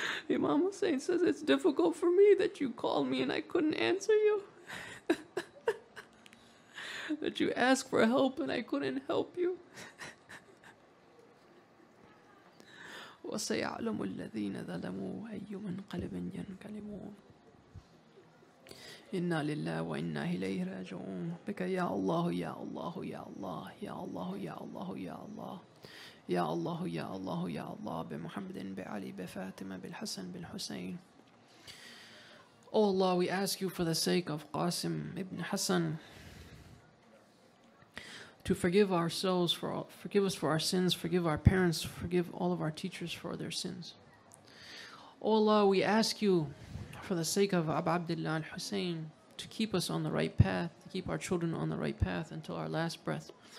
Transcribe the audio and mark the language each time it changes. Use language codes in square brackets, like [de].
[en] Imam Hussein says, it's difficult for me that you called me and I couldn't answer you. That you asked for help and I couldn't help you. [ar] وَسَيَعْلَمُ الَّذِينَ ظَلَمُوا أَيُّ مَنْقَلَبٍ يَنْقَلِبُونَ إنا لله وإنا إليه راجعون بك يا الله يا الله يا الله يا الله يا الله يا الله يا الله يا الله يا الله بمحمد بعلي بفاطمة بالحسن بالحسين. [en] Oh Allah, we ask you for the sake of Qasim ibn Hassan to forgive ourselves for all, forgive us for our sins, forgive our parents, forgive all of our teachers for their sins. Oh Allah, we ask you for the sake of Abu Abdullah al-Hussein, to keep us on the right path, to keep our children on the right path until our last breath.